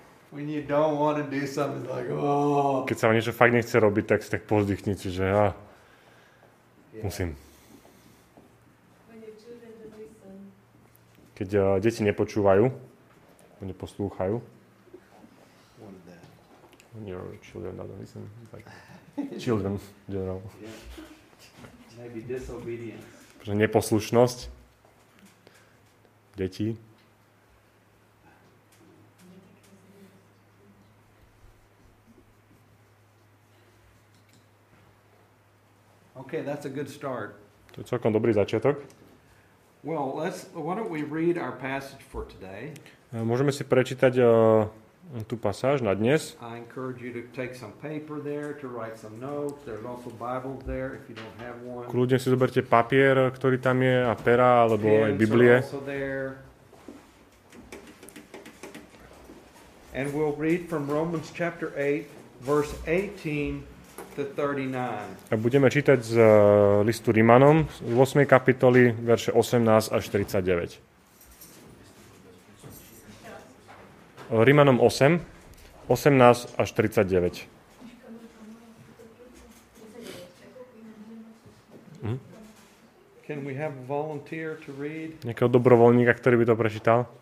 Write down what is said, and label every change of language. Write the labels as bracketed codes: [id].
[en] When you don't want to do something, it's like, oh. [sk] Keď sa vám niečo fakt nechce robiť, tak si tak pozdychnite, že ja. [en] Yeah. [sk] Musím. [en] When your children don't listen. [sk] Keď deti nepočúvajú, neposlúchajú. [en] What is that? When your children don't listen. Like children, in general. Yeah. Maybe disobedience. [sk] Neposlušnosť. Deti. [en] Okay, that's a good start. [sk] To je celkom dobrý začiatok. [en] Well, why don't we read our passage for today? [sk] Môžeme si prečítať tú pasáž na dnes. [en] I encourage you to take some paper there to write some notes. There's also Bible there if you don't have one. [sk] Kľudne si zoberte papier, ktorý tam je, a pera alebo aj Biblie. [en] Are also there. And we'll read from Romans chapter 8, verse 18. [sk] A budeme čítať z listu Rimanom z 8. kapitoly, verše 18 až 39. Rimanom 8, 18 až 39. [en] Can we have a volunteer to read? [sk] Nejakého dobrovoľníka, ktorý by to prečítal?